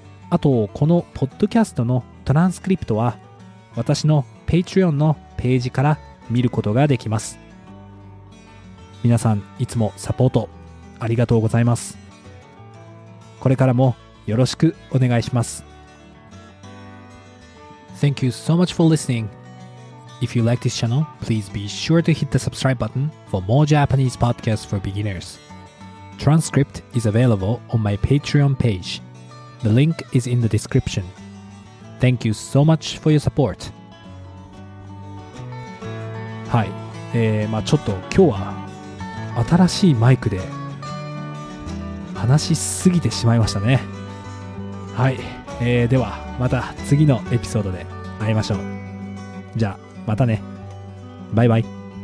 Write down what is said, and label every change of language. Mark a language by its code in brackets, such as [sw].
[ja] あとこのポッドキャストのトランスクリプトは私の Patreon のページから見ることができます。皆さんいつもサポートありがとうございます。これからもよろしくお願いします。 [en] Thank you so much for listening. If you like this channel, please be sure to hit the subscribe button for more Japanese podcasts for beginners. Transcript is available on my Patreon page. The link is in the description. Thank you so much for your support. [ja] はい、まあちょっと今日は新しいマイクで話しすぎてしまいましたね。はい、ではまた次のエピソードで会いましょう。じゃあまたね。バイバイ。